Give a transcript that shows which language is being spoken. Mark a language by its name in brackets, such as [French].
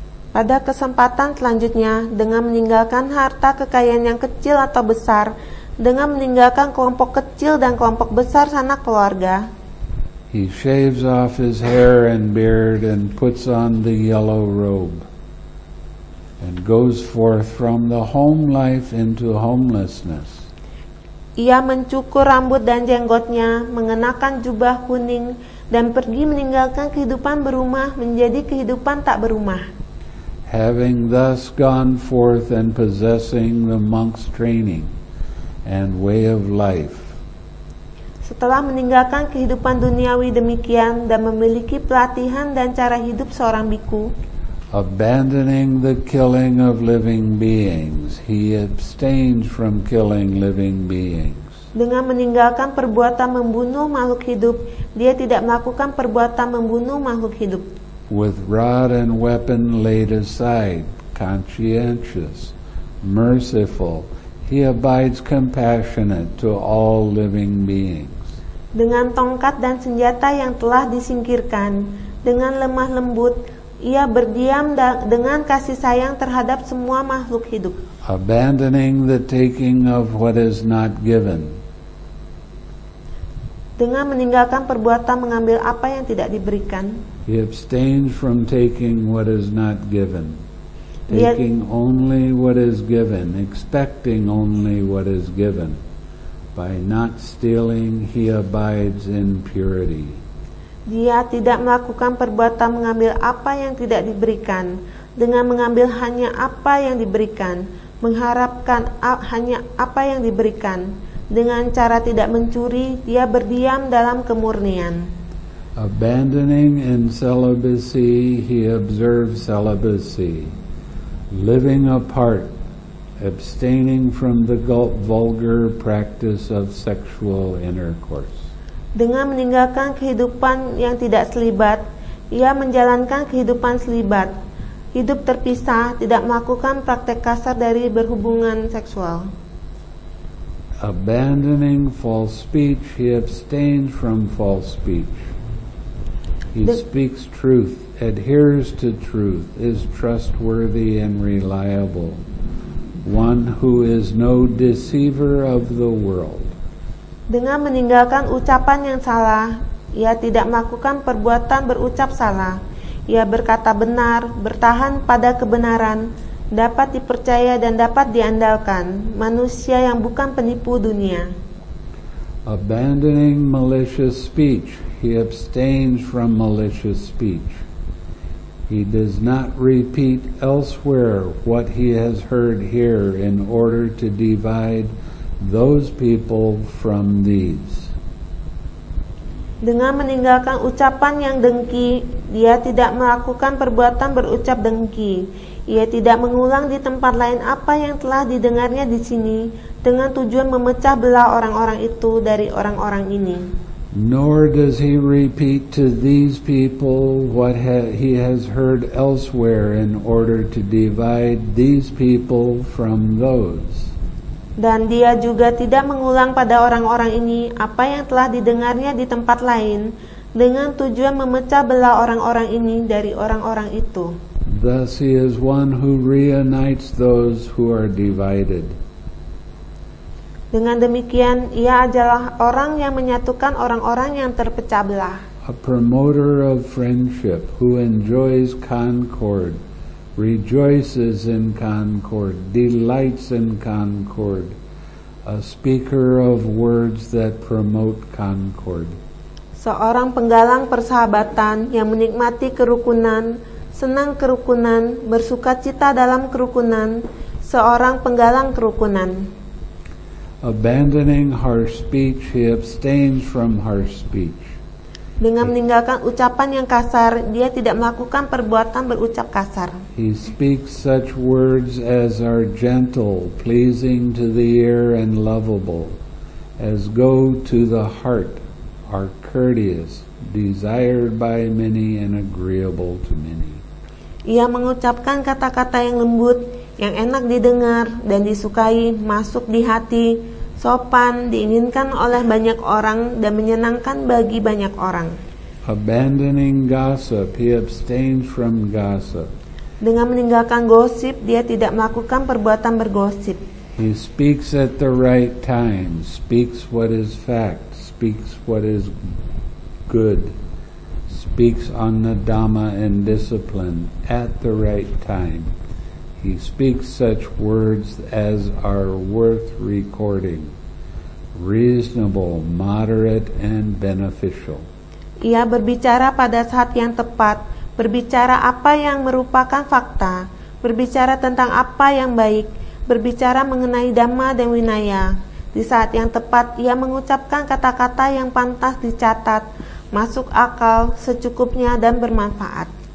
[Indonesian] Pada kesempatan selanjutnya, dengan meninggalkan harta kekayaan yang kecil atau besar, dengan meninggalkan kelompok kecil dan kelompok besar sanak keluarga. [English] He shaves off his hair and beard and puts on the yellow robe. And goes forth from the home life into homelessness. [Indonesian] Ia mencukur rambut dan jenggotnya, mengenakan jubah kuning, dan pergi meninggalkan kehidupan berumah menjadi kehidupan tak berumah. [English] Having thus gone forth and possessing the monk's training and way of life. [Indonesian] Setelah meninggalkan kehidupan duniawi demikian dan memiliki pelatihan dan cara hidup seorang bhikkhu. [English] Abandoning the killing of living beings, he abstains from killing living beings. [Indonesian] Dengan meninggalkan perbuatan membunuh makhluk hidup, dia tidak melakukan perbuatan membunuh makhluk hidup. [English] With rod and weapon laid aside, conscientious, merciful, he abides compassionate to all living beings. [Indonesian] Dengan tongkat dan senjata yang telah disingkirkan, dengan lemah lembut, ia berdiam dengan kasih sayang terhadap semua makhluk hidup. [English] Abandoning the taking of what is not given. [Indonesian] Dengan meninggalkan perbuatan mengambil apa yang tidak diberikan. [English] He abstains from taking what is not given. Taking only what is given, expecting only what is given. By not stealing, he abides in purity. [Indonesian] Dia tidak melakukan perbuatan mengambil apa yang tidak diberikan, dengan mengambil hanya apa yang diberikan, mengharapkan hanya apa yang diberikan, dengan cara tidak mencuri, dia berdiam dalam kemurnian. [English] Abandoning in celibacy, he observes celibacy. Living apart, abstaining from the vulgar practice of sexual intercourse. [Indonesian] Dengan meninggalkan kehidupan yang tidak selibat, ia menjalankan kehidupan selibat, hidup terpisah, tidak melakukan praktek kasar dari berhubungan seksual. [English] Abandoning false speech, he abstains from false speech. He speaks truth, adheres to truth, is trustworthy and reliable, one who is no deceiver of the world. [Indonesian] Dengan meninggalkan ucapan yang salah, ia tidak melakukan perbuatan berucap salah. Ia berkata benar, bertahan pada kebenaran, dapat dipercaya dan dapat diandalkan, manusia yang bukan penipu dunia. [English] Abandoning malicious speech, he abstains from malicious speech. He does not repeat elsewhere what he has heard here in order to divide those people from these. [Indonesian] Dengan meninggalkan ucapan yang dengki, dia tidak melakukan perbuatan berucap dengki. Ia tidak mengulang di tempat lain apa yang telah didengarnya di sini dengan tujuan memecah belah orang-orang itu dari orang-orang ini. [English] Nor does he repeat to these people what he has heard elsewhere in order to divide these people from those. [Indonesian] Dan dia juga tidak mengulang pada orang-orang ini apa yang telah didengarnya di tempat lain dengan tujuan memecah belah orang-orang ini dari orang-orang itu. [English] Thus he is one who reunites those who are divided. [Indonesian] Dengan demikian, ia adalah orang yang menyatukan orang-orang yang terpecah belah. [English] A promoter of friendship who enjoys concord, rejoices in concord, delights in concord, a speaker of words that promote concord. [Indonesian] Seorang penggalang persahabatan yang menikmati kerukunan, senang kerukunan, bersuka cita dalam kerukunan, seorang penggalang kerukunan. [English] Abandoning harsh speech, he abstains from harsh speech. [Indonesian] Dengan meninggalkan ucapan yang kasar, dia tidak melakukan perbuatan berucap kasar. [English] He speaks such words as are gentle, pleasing to the ear and lovable, as go to the heart, are courteous, desired by many and agreeable to many. [Indonesian] Ia mengucapkan kata-kata yang lembut, yang enak didengar dan disukai, masuk di hati, sopan, diinginkan oleh banyak orang dan menyenangkan bagi banyak orang. [English] Abandoning gossip, he abstains from gossip. [Indonesian] Dengan meninggalkan gosip, dia tidak melakukan perbuatan bergosip. [English] He speaks at the right time, speaks what is fact, speaks what is good, speaks on the Dhamma and discipline at the right time. He speaks such words as are worth recording, reasonable, moderate, and beneficial. [Indonesian] Ia berbicara pada saat yang tepat, berbicara apa yang merupakan fakta, berbicara tentang apa yang baik, berbicara mengenai Dhamma dan Winaya. Di saat yang tepat, ia mengucapkan kata-kata yang pantas dicatat, masuk akal, secukupnya, dan bermanfaat.